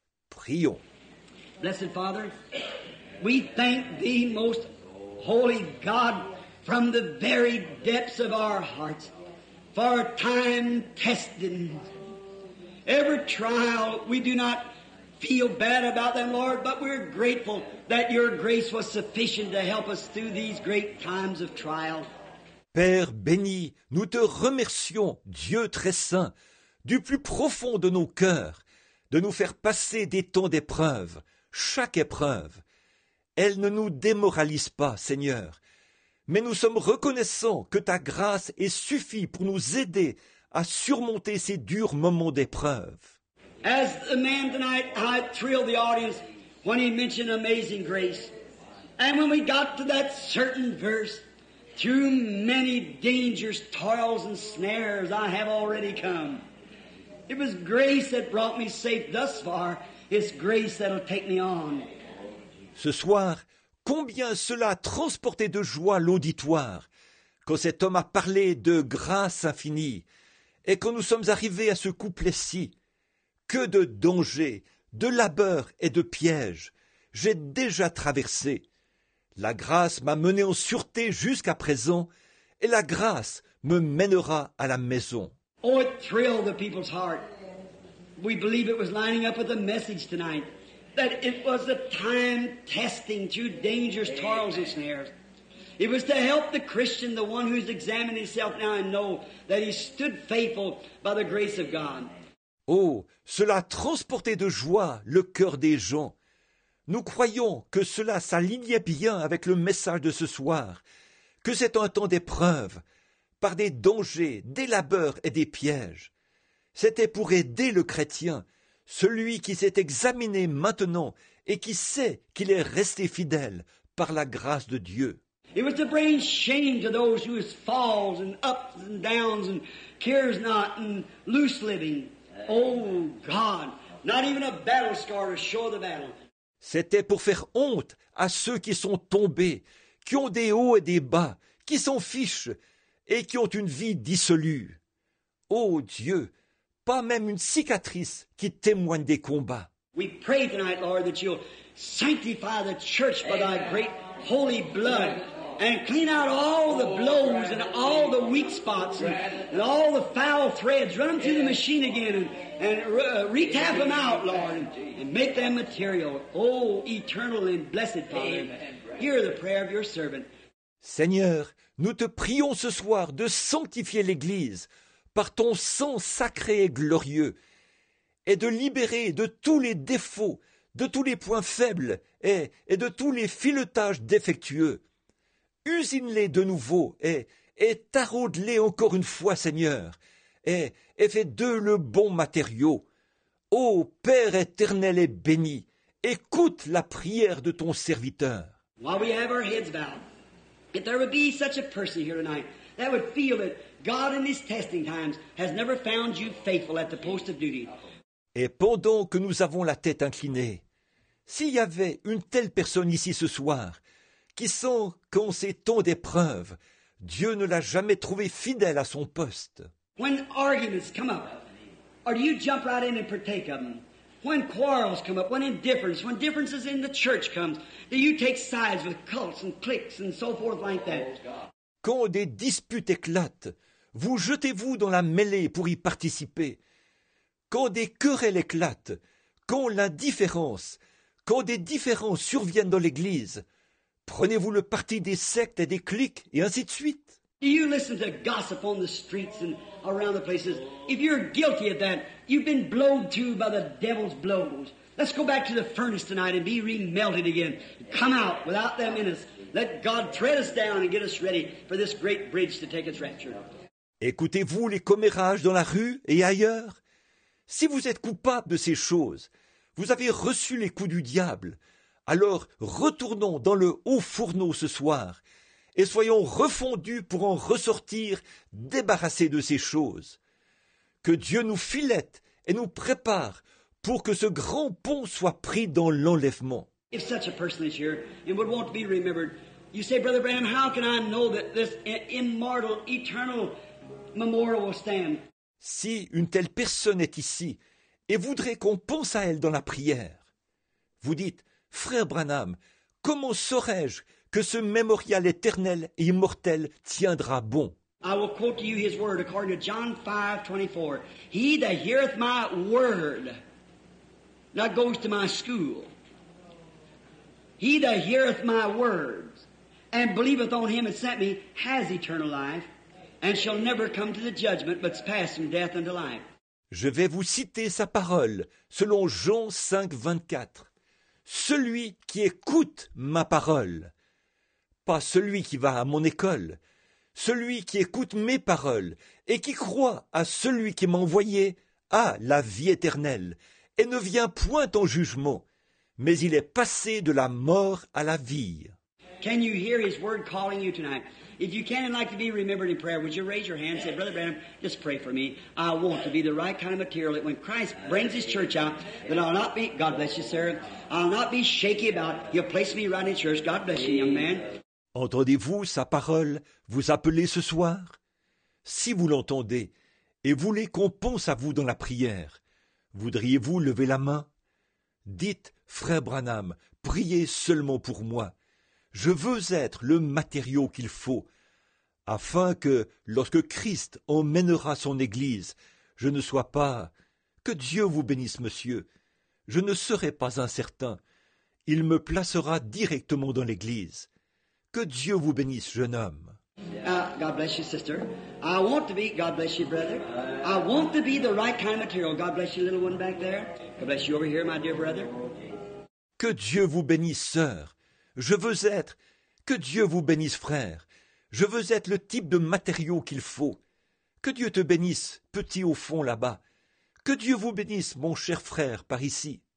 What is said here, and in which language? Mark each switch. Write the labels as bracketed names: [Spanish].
[French] Prions. [English] Blessed Father, we thank thee, most holy God, from the very depths of our hearts, for time testing. Every trial, we do not feel bad about them, Lord, but we're grateful that your grace was sufficient to help us through these great times of trial. [French] Père béni, nous te remercions, Dieu très saint, du plus profond de nos cœurs, de nous faire passer des temps d'épreuve. Chaque épreuve, elle ne nous démoralise pas, Seigneur, mais nous sommes reconnaissants que ta grâce est suffit pour nous aider à surmonter ces durs moments d'épreuve. [English] As the man tonight, I thrilled the audience when he mentioned amazing grace. And when we got to that certain verse, through many dangers, toils, and snares, I have already come. It was grace that brought me safe thus far. It's grace that'll take me on. [French] Ce soir, combien cela a transporté de joie l'auditoire quand cet homme a parlé de grâce infinie et quand nous sommes arrivés à ce couplet-ci. Que de dangers, de labeurs et de pièges j'ai déjà traversé. La grâce m'a mené en sûreté jusqu'à présent et la grâce me mènera à la maison. [English] Oh, it thrilled the people's heart. We believe it was lining up with the message tonight, that it was a time testing through dangers, toils, and snares. It was to help the Christian, the one who's examined himself now and know that he stood faithful by the grace of God. [French] Oh, cela a transporté de joie le cœur des gens. Nous croyons que cela s'alignait bien avec le message de ce soir, que c'est un temps d'épreuve, par des dangers, des labeurs et des pièges. C'était pour aider le chrétien, celui qui s'est examiné maintenant et qui sait qu'il est resté fidèle par la grâce de Dieu. [English] It was to bring shame to those who falls and ups and downs and cares not and loose living. Oh God, not even a battle scar to show the battle. [French] C'était pour faire honte à ceux qui sont tombés, qui ont des hauts et des bas, qui s'en fichent et qui ont une vie dissolue. Oh Dieu, pas même une cicatrice qui témoigne des combats. [English] We pray tonight, Lord, that you'll sanctify the church by thy great holy blood and clean out all the blows and all the weak spots and all the foul threads. Run them through the machine again and retap them out, Lord, and make them material. Oh, eternal and blessed Father, hear the prayer of your servant. [French] Seigneur, nous te prions ce soir de sanctifier l'Église par ton sang sacré et glorieux, et de libérer de tous les défauts, de tous les points faibles et de tous les filetages défectueux. Usine-les de nouveau et taraude-les encore une fois, Seigneur, et fais d'eux le bon matériau. Ô Père éternel et béni, écoute la prière de ton serviteur. [English] While we have our heads bowed, if there would be such a person here tonight that would feel it, God in these testing times has never found you faithful at the post of duty. [French] Et pendant que nous avons la tête inclinée, s'il y avait une telle personne ici ce soir, qui sent qu'en ces temps d'épreuve, Dieu ne l'a jamais trouvé fidèle à son poste. [English] When arguments come up, or do you jump right in and partake of them? When quarrels come up, when differences in the church comes, do you take sides with cults and cliques and so forth like that? [French] Quand des disputes éclatent, vous jetez-vous dans la mêlée pour y participer. Quand des querelles éclatent, quand l'indifférence, quand des différences surviennent dans l'Église, prenez-vous le parti des sectes et des cliques et ainsi de suite. [English] Do you listen to gossip on the streets and around the places? If you're guilty of that, you've been blown to by the devil's blows. Let's go back to the furnace tonight and be remelted again. Come out without them in us. Let God tread us down and get us ready for this great bridge to take its rapture. [French] Écoutez-vous les commérages dans la rue et ailleurs? Si vous êtes coupable de ces choses, vous avez reçu les coups du diable, alors retournons dans le haut fourneau ce soir et soyons refondus pour en ressortir débarrassés de ces choses. Que Dieu nous filette et nous prépare pour que ce grand pont soit pris dans l'enlèvement. [English] If such a person is here and would want to be remembered, you say, Brother Branham, how can I know that this immortal, eternal memorial will stand? [French] Si une telle personne est ici et voudrait qu'on pense à elle dans la prière, vous dites, Frère Branham, comment saurais-je que ce mémorial éternel et immortel tiendra bon? [English] I will quote to you his word according to John 5:24. He that heareth my word, that goes to my school. He that heareth my words and believeth on him that sent me has eternal life and shall never come to the judgment but pass from death unto life. [French] Je vais vous citer sa parole selon Jean 5:24. Celui qui écoute ma parole, pas celui qui va à mon école, celui qui écoute mes paroles et qui croit à celui qui m'a envoyé a la vie éternelle et ne vient point en jugement. Mais il est passé de la mort à la vie. [English] Can you hear his word calling you tonight? If you can and like to be remembered in prayer, would you raise your hand and say, Brother Branham, just pray for me. I want to be the right kind of material that when Christ brings his church out, that I'll not be, God bless you, sir, I'll not be shaky about it. He'll place me right in church. God bless you, young man. [French] Entendez-vous sa parole vous appeler ce soir? Si vous l'entendez et voulez qu'on pense à vous dans la prière, voudriez-vous lever la main? Dites, Frère Branham, priez seulement pour moi. Je veux être le matériau qu'il faut, afin que, lorsque Christ emmènera son Église, je ne sois pas... Que Dieu vous bénisse, monsieur. Je ne serai pas incertain. Il me placera directement dans l'Église. Que Dieu vous bénisse, jeune homme. [English] God bless you, sister. I want to be, God bless you, brother. I want to be the right kind of material. God bless you, little one back there. God bless you over here, my dear brother. [French] Que Dieu vous bénisse, sœur. Je veux être... Que Dieu vous bénisse, frère. Je veux être le type de matériau qu'il faut. Que Dieu te bénisse, petit au fond là-bas. Que Dieu vous bénisse, mon cher frère, par ici.